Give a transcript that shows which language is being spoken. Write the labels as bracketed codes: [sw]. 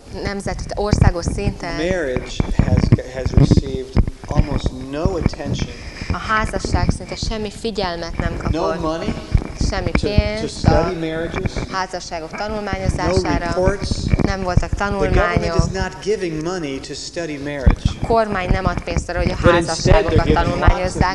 [hu] nemzeti, országos szinten, [en] marriage has received almost no attention. [hu] A házasság szinte semmi figyelmet nem kapott. [en] No money. [hu] Semmi pénz. [en] To study marriages. [hu] Házasságok tanulmányozására. [en] No reports. [hu] Nem voltak tanulmányok. [en] The government is not giving money to study marriage. [hu] A kormány nem ad pénzt arra, hogy a házasságokat tanulmányozzák.